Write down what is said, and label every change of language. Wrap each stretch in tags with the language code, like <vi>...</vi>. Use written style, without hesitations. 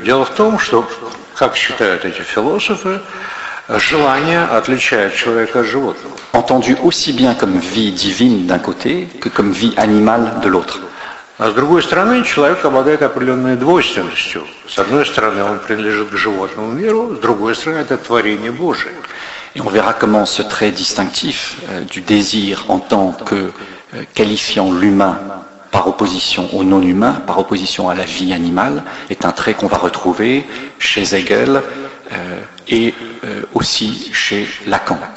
<ru>Дело в том, что, как считают эти философы, желание отличает человека от животного.</ru> <fr>Entendu aussi bien comme vie divine d'un côté que comme vie animale de l'autre.</fr> <ru>А с другой стороны, человек обладает определенной двойственностью. С одной стороны, он принадлежит к животному миру, с другой стороны, это творение Божие.</ru> <fr>Et on verra comment ce trait distinctif du désir en tant que qualifiant l'humain par opposition au non-humain, par opposition à la vie animale, est un trait qu'on va retrouver chez Hegel et aussi chez Lacan.</fr>